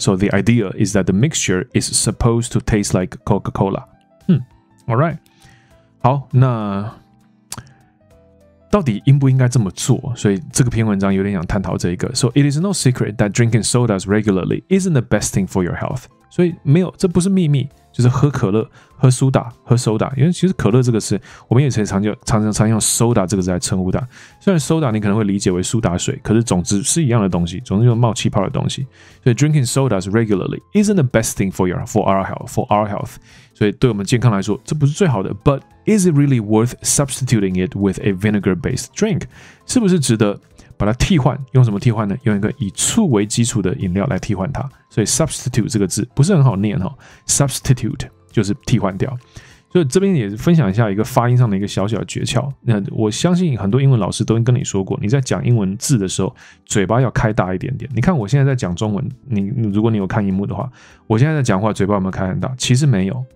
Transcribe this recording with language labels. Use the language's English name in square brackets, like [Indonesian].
[English] So the idea is that the mixture is supposed to taste like Coca-Cola. All right. [Chinese] 好，那到底应不应该这么做？所以这个篇文章有点想探讨这一个。 [English] So it is no secret that drinking sodas regularly isn't the best thing for your health. [Chinese] 所以没有，这不是秘密，就是喝可乐、喝苏打、喝 soda， 因为其实可乐这个词，我们也常用 soda 这个字来称呼它。虽然 soda 你可能会理解为苏打水，可是总之是一样的东西，总之就是冒气泡的东西。 [English] 所以 drinking sodas regularly isn't the best thing for our health. [Chinese] 所以对我们健康来说，这不是最好的。 [English] But is it really worth substituting it with a vinegar-based drink? [Chinese] 是不是值得把它替换？用什么替换呢？用一个以醋为基础的饮料来替换它。所以 substitute 这个字不是很好念哦。Substitute 就是替换掉。所以这边也分享一下一个发音上的一个小小诀窍。那我相信很多英文老师都跟你说过，你在讲英文字的时候，嘴巴要开大一点点。你看我现在在讲中文，如果你有看荧幕的话，我现在在讲话，嘴巴有没有开很大？其实没有。